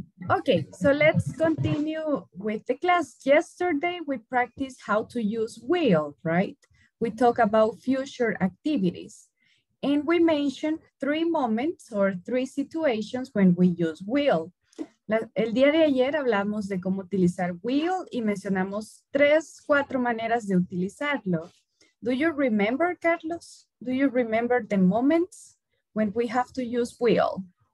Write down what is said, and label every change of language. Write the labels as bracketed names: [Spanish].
[English] Okay. So let's continue with the class. Yesterday, we practiced how to use will, right? We talk about future activities. And we mentioned three moments or three situations when we use will. [Spanish] El día de ayer hablamos de cómo utilizar will y mencionamos tres, cuatro maneras de utilizarlo. [English] Do you remember, Carlos? Do you remember the moments when we have to use will?